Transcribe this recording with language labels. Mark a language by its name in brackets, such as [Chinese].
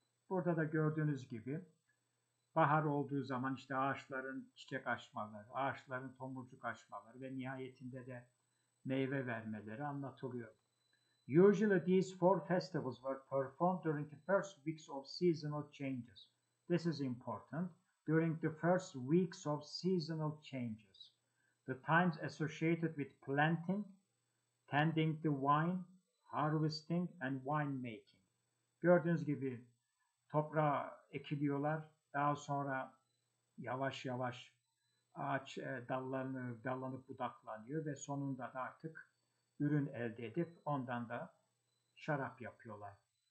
[Turkish] Burada da gördüğünüz gibi, bahar olduğu zaman işte ağaçların çiçek açmaları, ağaçların tomurcuk açmaları ve nihayetinde de meyve vermeleri anlatılıyor. [English] Usually these four festivals were performed during the first weeks of seasonal changes. This is important. During the first weeks of seasonal changes, the times associated with planting, tending the vine, harvesting and wine making. [Turkish] Gördüğünüz gibi toprağı ekiliyorlar. Daha sonra yavaş yavaş ağaç dallanıp budaklanıyor ve sonunda da artık ürün elde edip ondan da şarap yapıyorlar.